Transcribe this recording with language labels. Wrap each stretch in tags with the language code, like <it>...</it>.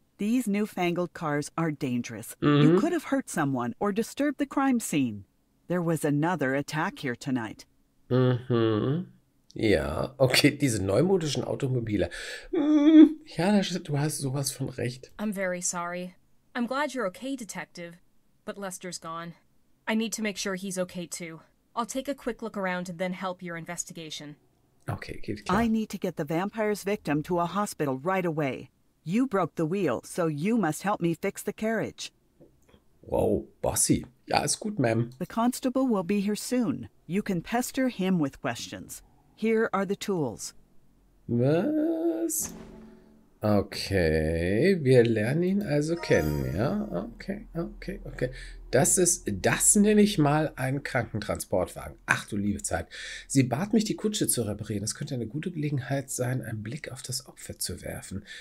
<en>These newfangled cars are dangerous. Mm-hmm. You could have hurt someone or disturbed the crime scene. There was another attack here tonight. Mm-hmm.</en> <de>Ja, okay, diese neumodischen Automobile. Ja, du hast sowas von recht.</de> <en>I'm very sorry. I'm glad you're okay, Detective. But Lester's gone. I need to make sure he's okay, too. I'll take a quick look around and then help your investigation. Okay, keep going. I need to get the vampire's victim to a hospital right away. You broke the wheel, so you must help me fix the carriage.</en> <de>Wow, bossy. Ja, ist gut, ma'am.</de> <en>The constable will be here soon. You can pester him with questions. Here are the tools.</en> <de>Was? Okay, wir lernen ihn also kennen, ja? Okay. Das nenne ich mal einen Krankentransportwagen. Ach du liebe Zeit. Sie bat mich, die Kutsche zu reparieren. Es könnte eine gute Gelegenheit sein, einen Blick auf das Opfer zu werfen.</de>